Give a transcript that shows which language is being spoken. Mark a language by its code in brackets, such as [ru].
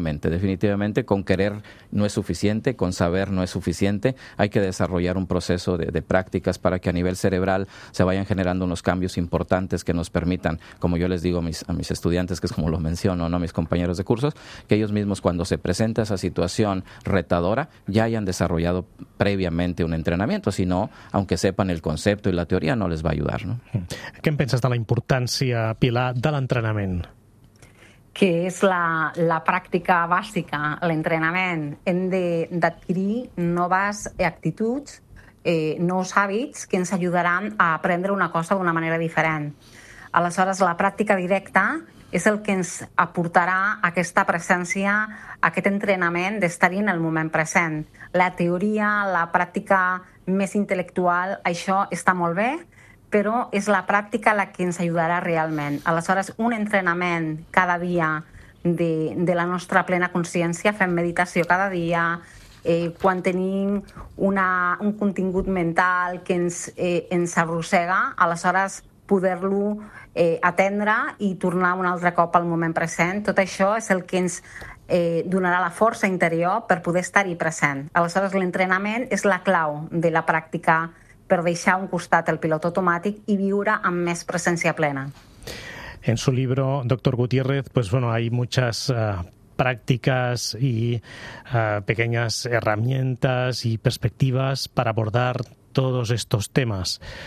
[es] Definitivamente, con querer no es suficiente, con saber no es suficiente, hay que desarrollar un proceso de prácticas para que a nivel cerebral se vayan generando unos cambios importantes que nos permitan, como yo les digo a mis estudiantes, que es como lo menciono, ¿no?, a mis compañeros de cursos, que ellos mismos cuando se presenta esa situación retadora ya hayan desarrollado previamente un entrenamiento, si no, aunque sepan el concepto y la teoría, no les va a ayudar, ¿no? ¿Qué piensas de la importancia, Pilar, del entrenamiento? [ca] Que és la pràctica bàsica, l'entrenament. Hem d'adquirir noves actituds, nous hàbits que ens ajudaran a aprendre una cosa d'una manera diferent. Aleshores, la pràctica directa és el que ens aportarà aquesta presència, aquest entrenament d'estar-hi en el moment present. La teoria, la pràctica més intel·lectual, això està molt bé, però és la pràctica la que ens ajudarà realment. Aleshores, un entrenament cada dia de la nostra plena consciència, fem meditació cada dia, quan tenim un contingut mental que ens arrossega, aleshores poder-lo atendre i tornar un altre cop al moment present. Tot això és el que ens donarà la força interior per poder estar-hi present. Aleshores, l'entrenament és la clau de la pràctica per deixar a un costat el pilot automàtic i viure amb més presència plena. [es] En su libro, doctor Gutiérrez, pues bueno, hay muchas prácticas y pequeñas herramientas y perspectivas para abordar todos estos temas.